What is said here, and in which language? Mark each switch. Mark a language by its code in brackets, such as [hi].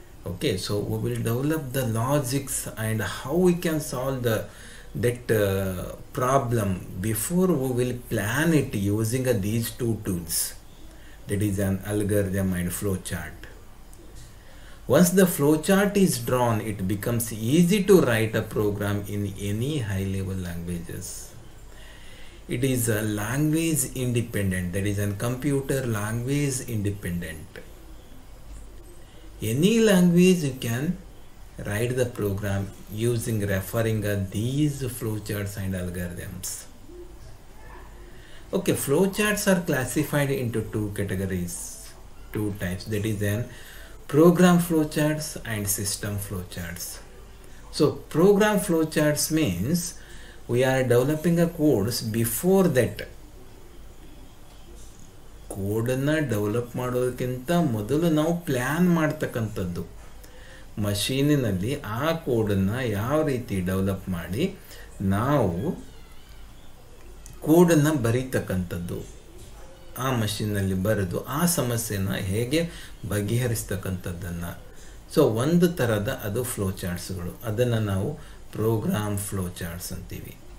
[en] Okay, so we will develop the logics and how we can solve the that problem before we will plan it using a these two tools, that is an algorithm and flow chart. Once the flow chart is drawn, it becomes easy to write a program in any high level languages. It is a language independent, that is an computer language independent. Any language you can write the program using, referring these flowcharts and algorithms. Okay, flowcharts are classified into two categories, two types, that is then program flowcharts and system flowcharts. So program flowcharts means we are developing a codes before that. [kn] ಕೋಡನ್ನು develop ಮಾಡೋದಕ್ಕಿಂತ ಮೊದಲು ನಾವು plan ಮಾಡ್ತಕ್ಕಂಥದ್ದು ಮಷೀನಿನಲ್ಲಿ, ಆ ಕೋಡನ್ನು ಯಾವ ರೀತಿ develop ಮಾಡಿ ನಾವು ಕೋಡನ್ನು ಬರೀತಕ್ಕಂಥದ್ದು, ಆ ಮಷೀನಲ್ಲಿ ಬರೆದು ಆ ಸಮಸ್ಯೆನ ಹೇಗೆ ಬಗೆಹರಿಸ್ತಕ್ಕಂಥದ್ದನ್ನು, ಸೊ ಒಂದು ಥರದ ಅದು ಫ್ಲೋ ಚಾರ್ಟ್ಸ್ಗಳು, ಅದನ್ನು ನಾವು ಪ್ರೋಗ್ರಾಮ್ ಫ್ಲೋ ಚಾರ್ಟ್ಸ್ ಅಂತೀವಿ.